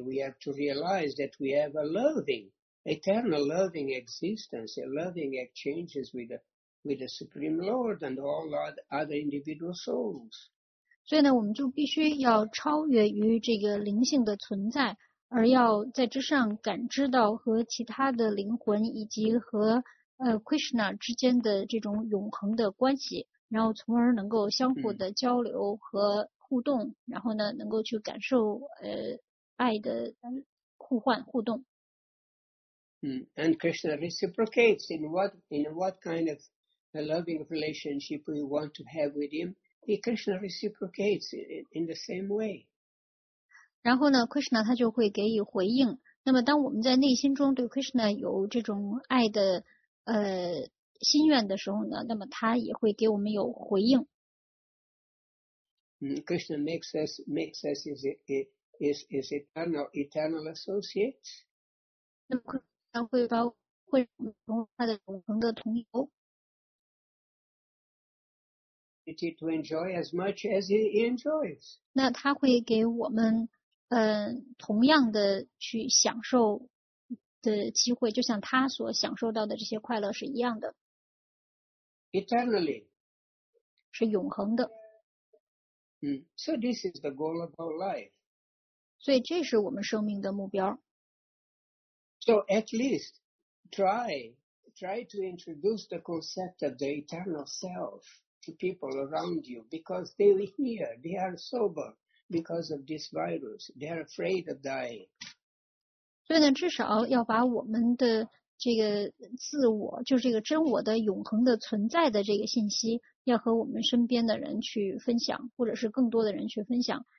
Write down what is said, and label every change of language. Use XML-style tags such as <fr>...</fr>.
<en>We have to realize that we have a loving, eternal loving existence, a loving exchanges with the Supreme Lord and all other individual souls.</en> <zh>所以呢，我们就必须要超越于这个灵性的存在，而要在之上感知到和其他的灵魂以及和Krishna 之间的这种永恒的关系。然后从而能够相互的交流和互动，然后呢能够去感受爱的互换互动。</zh> <en>And Krishna reciprocates in what kind of a loving relationship we want to have with him, Krishna reciprocates in the same way.</en> <zh>然后呢 Krishna 他就会给予回应，那么当我们在内心中对 Krishna 有这种爱的心愿的时候呢，那么他也会给我们有回应。</zh> <en>Krishna makes us his eternal associates.</en> <zh>那么他会把会融入他的永恒的同游。</zh> <en>To enjoy as much as he enjoys.</en> <zh>那他会给我们同样的去享受的机会，就像他所享受到的这些快乐是一样的。</zh> <en>Eternally.</en> <zh>是永恒的。</zh> <en>So this is the goal of our life.</en> <zh>所以这是我们生命的目标。</zh> <en>So at least try to introduce the concept of the eternal self to people around you because they are here, they are sober because of this virus, they are afraid of dying.</en> <zh>所以呢，至少要把我们的这个自我，就是这个真我的永恒的存在的这个信息，要和我们身边的人去分享，或者是更多的人去分享。</zh>